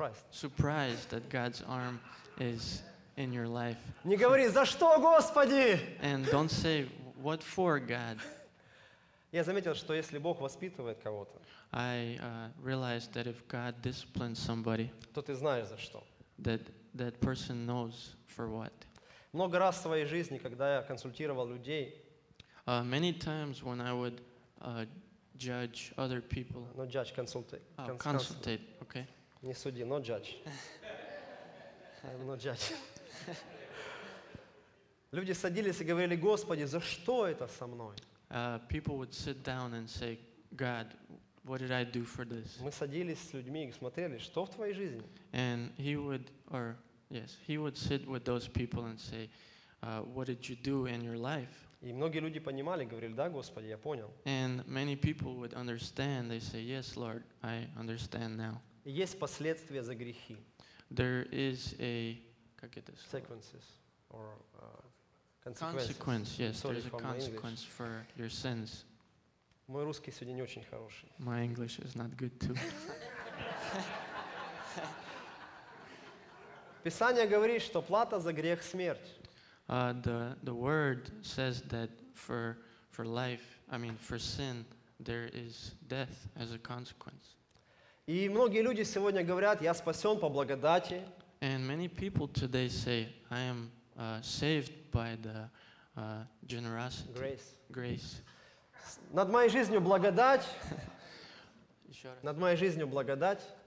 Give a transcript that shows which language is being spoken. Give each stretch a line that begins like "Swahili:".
English: surprised that God's arm is in your life.
Russian: Не говори, за что, Господи?
English: And don't say, what for, God?
Russian: Я заметил, что если Бог воспитывает кого-то,
English: I realized that if God disciplines somebody,
Russian: то ты знаешь за что.
English: That person knows for what.
Russian: Много раз в своей жизни, когда я консультировал людей,
English: many times when I would judge other people, no judge, consultate, okay.
Russian: Не суди,
English: no judge. I'm no judge.
Russian: Люди садились и говорили, Господи, за что это со мной?
English: People would sit down and say, God, what did I do for this?
Russian: Мы садились с людьми и смотрели, что в твоей жизни?
English: And he would sit with those people and say, what did you do in your life?
Russian: И многие люди понимали, говорили, да, Господи, я понял.
English: And many people would understand, they say, yes, Lord, I understand now.
Russian: Есть последствия за грехи.
English: There is a,
Russian: как это сказать?
English: Sequences or consequence, yes, there is a consequence for your sins.
Russian: Мой русский сегодня не очень хороший.
English: My English is not good too.
Russian: Писание говорит, что плата за грех — смерть.
English: The word says that for sin, there is death as a consequence.
Russian: И многие люди сегодня говорят, я спасен по благодати.
English: And many people today say, I am saved by the generosity. Grace.
Russian: Над моей жизнью благодать. Еще раз. Над моей жизнью благодать.